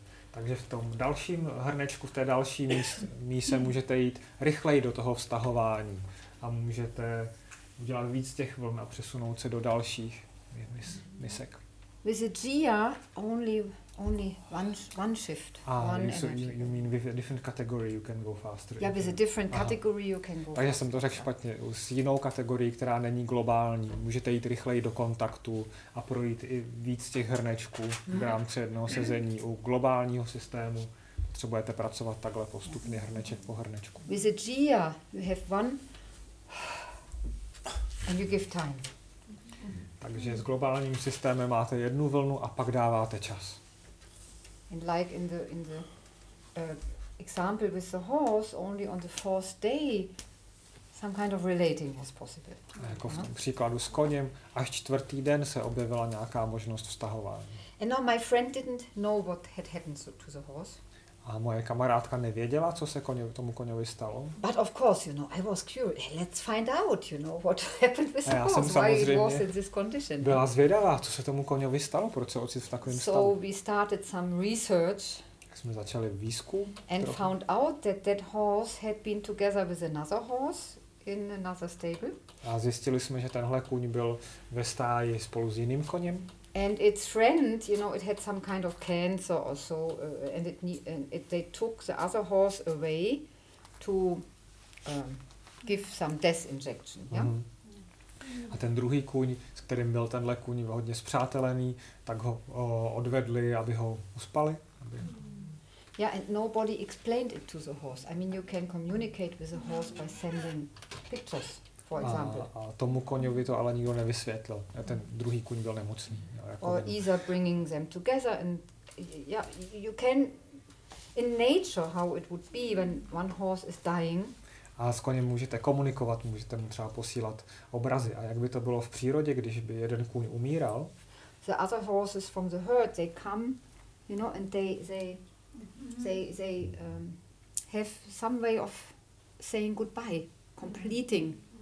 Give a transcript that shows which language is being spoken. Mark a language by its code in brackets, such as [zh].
[cs] Takže v tom dalším hrnečku, v té další míse můžete jít rychleji do toho vztahování a můžete udělat víc těch vln a přesunout se do dalších misek. [en] With the Gia only one shift. You mean with a different category you can go faster. Yeah, with a different category you can go faster. [cs] Takže jsem to řekl špatně. S jinou kategorií, která není globální, můžete jít rychleji do kontaktu a projít i víc těch hrnečků v rámci jednoho sezení. U globálního systému potřebujete pracovat takhle postupně hrneček po hrnečku. [en] With a Gia you have one and you give time. [cs] Takže s globálním systémem máte jednu vlnu a pak dáváte čas. [en] And like in the example with the horse, only on the fourth day some kind of relating was possible. [cs] A jako v tom příkladu s koněm, až čtvrtý den se objevila nějaká možnost vztahování. [en] And now my friend didn't know what had happened to the horse. [cs] A moje kamarádka nevěděla, co se tomu koňovi stalo. [en] But of course, you know, I was curious. Let's find out, you know, what happened with the horse. Why it was in this condition. [cs] Byla zvědavá, co se tomu koňovi stalo, proč se ocit v takovém stavu. [en] So we started some research. [cs] Tak jsme začali výzkum. [en] And found out that horse had been together with another horse in another stable. [cs] A zjistili jsme, že tenhle kůň byl ve stáji spolu s jiným koněm. [en] And its friend, you know, it had some kind of cancer or so, and they took the other horse away to give some death injection. Yeah? Mm-hmm. [cs] A ten druhý kůň, s kterým byl tenhle kůň hodně spřátelený, tak ho odvedli, aby ho uspali. [en] Yeah, and nobody explained it to the horse. I mean, you can communicate with the horse by sending pictures. [cs] A tomu koňovi to ale nikdo nevysvětlil. Ten druhý kůň byl nemocný. [en] Or either bringing them together and you can in nature how it would be when one horse is dying. [cs] A s koněm můžete komunikovat, můžete mu třeba posílat obrazy. A jak by to bylo v přírodě, když by jeden kůň umíral? [en] The other horses from the herd, they come, you know, and they have some way of saying goodbye, completing.